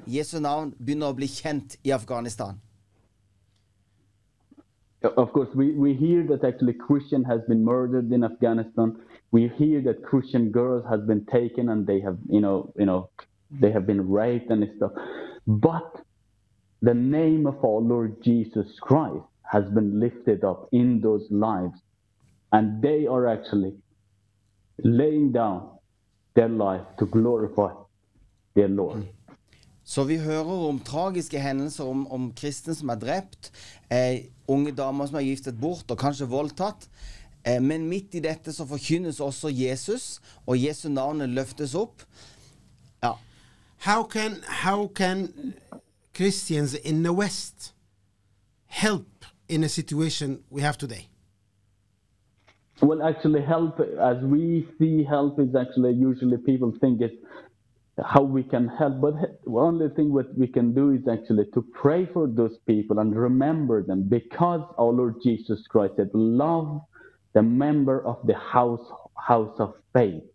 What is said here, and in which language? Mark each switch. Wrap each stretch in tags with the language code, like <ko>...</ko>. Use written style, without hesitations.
<no>Jesu navn begynner å bli kjent i Afghanistan.</no> <en>Of course, we hear that actually Christian has been murdered in Afghanistan. We hear that Christian girls have been taken and they have, you know, they have been raped and stuff. But the name of our Lord Jesus Christ has been lifted up in those lives, and they are actually laying down their life to glorify their Lord.</en> <no>Så vi hører om tragiske hendelser om kristne som drept, unge damer som giftet bort og kanskje voldtatt, men midt i dette så forkynnes også Jesus, og Jesu navnet løftes opp. Ja.</no> <en>How can Christians in the West help in a situation we have today? Well, actually help, as we see help, is actually usually people think it's how we can help, but only thing what we can do is actually to pray for those people and remember them, because our Lord Jesus Christ said, love the member of the house of faith.</en>